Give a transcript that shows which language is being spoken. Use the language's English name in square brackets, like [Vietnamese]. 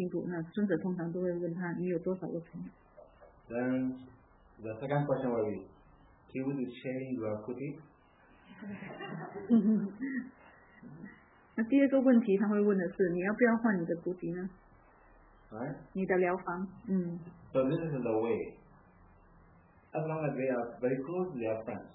[Chinese] 尊者说呢，如果一个学生他能够很顺利的进步的话呢，他就不会问这个问题。但是如果一个学生呢，他停在一个阶段很久了都没有进步，那尊者通常都会问他，你有多少个朋友？ [English] Then the second question will be, do you want to change your kuti? [Chinese] 那第二个问题他会问的是，你要不要换你的kuti呢？ [English] Right. [Chinese] 你的疗房。嗯。 [English] So this is the way. As long as they are very close, they are friends.